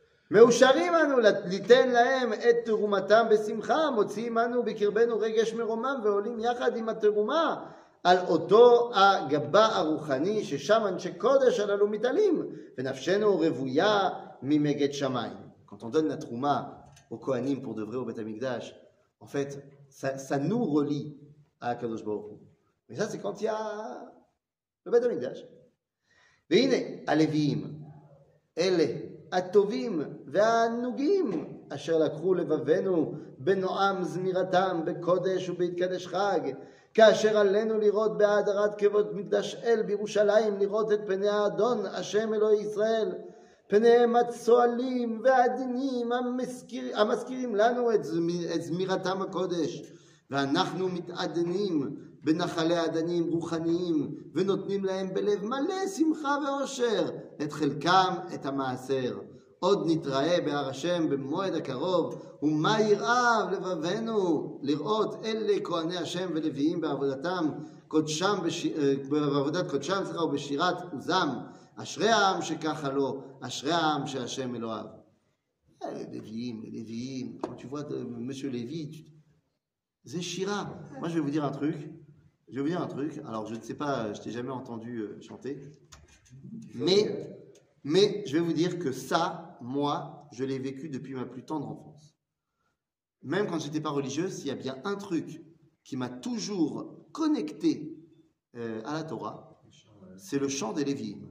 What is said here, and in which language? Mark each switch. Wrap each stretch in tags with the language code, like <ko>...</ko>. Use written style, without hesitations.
<he>מאושרים אנו ליתן להם את תרומתם בשמחה, מוציאים אנו בקרבנו רגש מרומם ועולים יחד עם התרומה על אותו הגבה הרוחני ששם אנשי קודש הללו מתעלים ונפשנו רוויה ממגד שמיים.</he> <fr>Quand on donne la תרומה aux כהנים pour de vrai au בית המקדש, en fait, ça nous relie à הקדוש ברוך הוא. Mais ça, c'est quand il y a le בית המקדש.</fr> <he>והנה הלוויים אלה הטובים והנוגים אשר לקחו לבבנו בנועם זמירתם בקודש ובהתקדש חג, כאשר עלינו לראות בהאדרת כבוד מקדש אל בירושלים, לראות את פני האדון השם אלוהי ישראל, פניהם הצועלים והעדינים המזכירים לנו את זמירתם הקודש, ואנחנו מתעדנים בנחלי עדנים רוחניים ונותנים להם בלב מלא שמחה ואושר את חלקם את המעשר. עוד נתראה בהר השם במועד הקרוב, ומה ירעב לבבנו לראות אלה כהני השם ולוויים בעבודתם קודשם בעבודת קודשם ובשירת עוזם. אשרי העם שככה לו, אשרי העם שהשם אלוהיו. לוויים, לוויים, תשמע את משהו לוי, זה שירה. מה שאני רוצה להגיד לך,</he> <fr>je vais vous dire un truc, alors je ne sais pas, je t'ai jamais entendu chanter, mais je vais vous dire que ça, moi, je l'ai vécu depuis ma plus tendre enfance. Même quand je n'étais pas religieuse, il y a bien un truc qui m'a toujours connecté à la Torah, c'est le chant des Lévi.</fr>